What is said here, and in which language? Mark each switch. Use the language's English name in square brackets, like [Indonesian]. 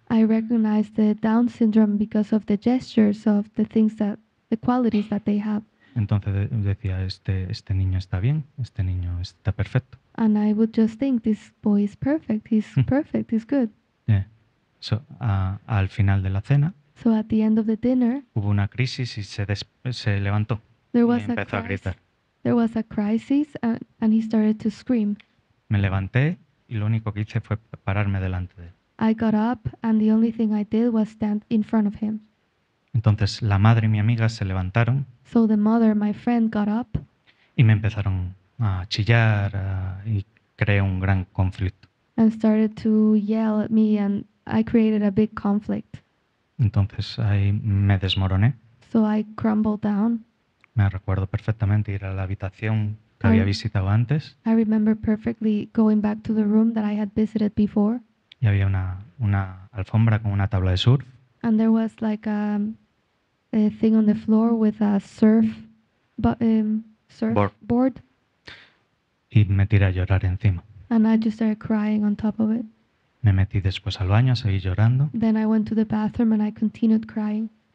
[English] I recognized the Down syndrome because of the gestures of the things that the qualities that they have. [Spanish] Entonces decía, este niño está bien, este niño está perfecto. [English] And I would just think, this boy is perfect, he's perfect, he's good. Yeah. So, [Spanish] al final de la cena, [English] so at the end of the dinner, [Spanish] hubo una crisis y se levantó y empezó a gritar. [English] There was a crisis and he started to scream. [Spanish] Me levanté y lo único que hice fue pararme delante de él. [English] I got up and the only thing I did was stand in front of him. [Spanish] Entonces la madre y mi amiga se levantaron. [English] So the mother, my friend, got up. [Spanish] Y me empezaron a chillar y creé un gran conflicto. [English] And started to yell at me and I created a big conflict. [Spanish] Entonces ahí me desmoroné. [English] So I crumbled down. [Spanish] Me recuerdo perfectamente ir a la habitación que había visitado antes. [English] I remember perfectly going back to the room that I had visited before. [Spanish] Y había una alfombra con una tabla de surf. [English] And there was like a thing on the floor with a surf board. [Spanish] Y me tiré a llorar encima. [English] And I just started crying on top of it. [Spanish] Me metí después al baño, seguí llorando. [English] Then I went to the bathroom and I continued crying.